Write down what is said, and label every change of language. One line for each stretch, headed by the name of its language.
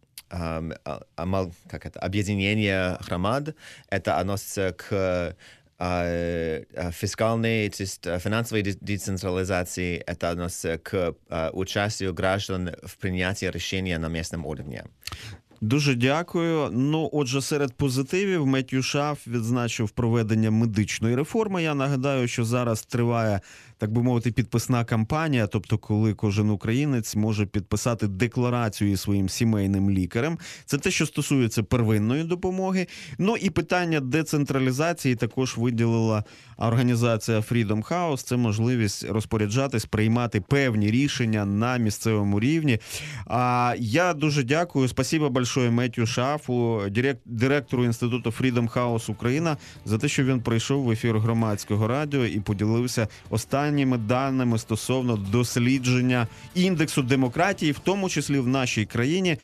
Russian: как это, объединение громад, это относится к фискальной, то есть финансовой децентрализации, это относится к участию граждан в принятии решения на местном уровне.
Ukrainian: Дуже дякую. Ну, отже, серед позитивів Меттью Шаф відзначив проведення медичної реформи. Я нагадаю, що зараз триває, так би мовити, підписна кампанія, тобто коли кожен українець може підписати декларацію зі своїм сімейним лікарем. Це те, що стосується первинної допомоги. Ну, і питання децентралізації також виділила організація Freedom House. Це можливість розпоряджатись, приймати певні рішення на місцевому рівні. А я дуже дякую.
Russian: Спасибо большое
Ukrainian: Меттью Шафу, директору Інституту Freedom House Україна, за те, що він прийшов в ефір громадського радіо і поділився останніми даними стосовно дослідження індексу демократії, в тому числі в нашій країні.